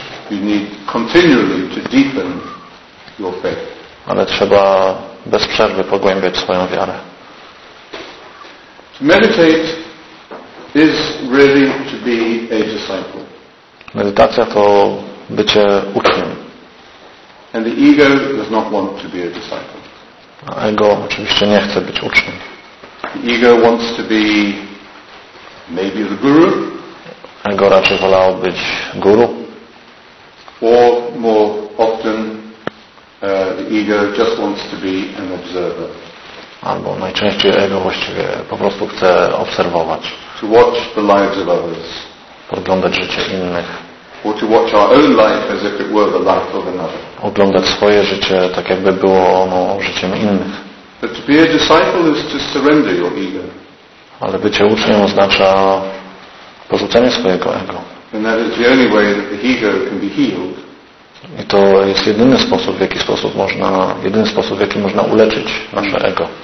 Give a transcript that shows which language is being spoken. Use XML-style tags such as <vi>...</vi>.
<en>You need continually to deepen your faith.</en> <pl>Ale trzeba bez przerwy pogłębiać swoją wiarę.</pl> <en>To meditate is really to be a disciple.</en> <pl>Medytacja to bycie uczniem.</pl> <en>And the ego does not want to be a disciple.</en> <pl>A ego oczywiście nie chce być uczniem.</pl> <en>The ego wants to be maybe the guru.</en> <pl>Ego raczej wolał być guru.</pl> <en>Or more often the ego just wants to be an observer.</en> <pl>Albo najczęściej ego właściwie po prostu chce obserwować.</pl> <en>To watch the lives of others.</en> <pl>Podglądać życie innych.</pl> <en>Or to watch our own life as if it were the life of another.</en> <pl>Oglądać swoje życie tak jakby było ono życiem innych.</pl> <en>But to be a disciple is to surrender your ego.</en> <pl>Ale bycie uczniem oznacza porzucenie swojego ego.</pl> <en>And that is the only way that the ego can be healed.</en> <pl>I to jest jedyny sposób, w jaki sposób można, jedyny sposób, w jaki można uleczyć nasze ego.</pl>